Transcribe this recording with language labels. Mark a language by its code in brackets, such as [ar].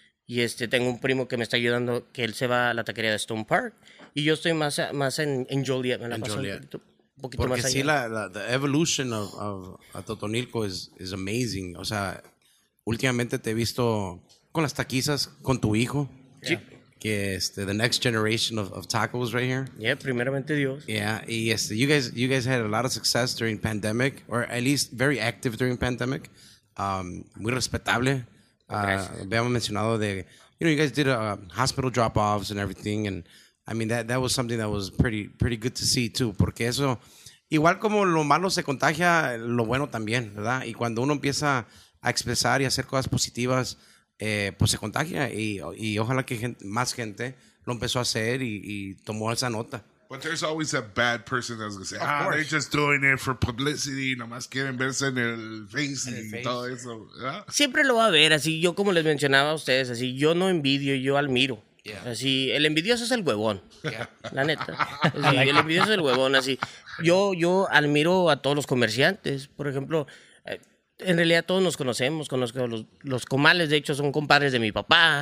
[es] Y tengo un primo que me está ayudando, que él se va a la taquería de Stone Park y yo estoy más en Joliet, me la paso Joliet. Un poquito porque más allá. [en] Sí, the evolution of Atotonilco is amazing. [es] O sea, últimamente te he visto con las taquizas, con tu hijo. Sí. Yeah. [en] Que the next generation of tacos right here. [es] Yeah, primeramente Dios. [en] Yeah, y you guys had a lot of success during pandemic, or at least very active during pandemic. [es] Muy respetable. Habíamos mencionado de, [en] you know, you guys did hospital drop-offs and everything, and I mean, that was something that was pretty good to see, too. [es] Porque eso, igual como lo malo se contagia, lo bueno también, ¿verdad? Y cuando uno empieza a expresar y hacer cosas positivas, pues se contagia. Y ojalá que más gente lo empezó a hacer y tomó esa nota. [en] But there's always a bad person that's going to say, they're just doing it for publicity. [es] Nomás quieren verse en el face y todo eso. ¿Verdad? Siempre lo va a ver. Así yo, como les mencionaba a ustedes, así yo no envidio, yo admiro. Yeah. Así, el envidioso es el huevón, yeah. La neta. Así, el envidioso es el huevón, así. Yo admiro a todos los comerciantes, por ejemplo, en realidad todos nos conocemos, los comales, de hecho, son compadres de mi papá,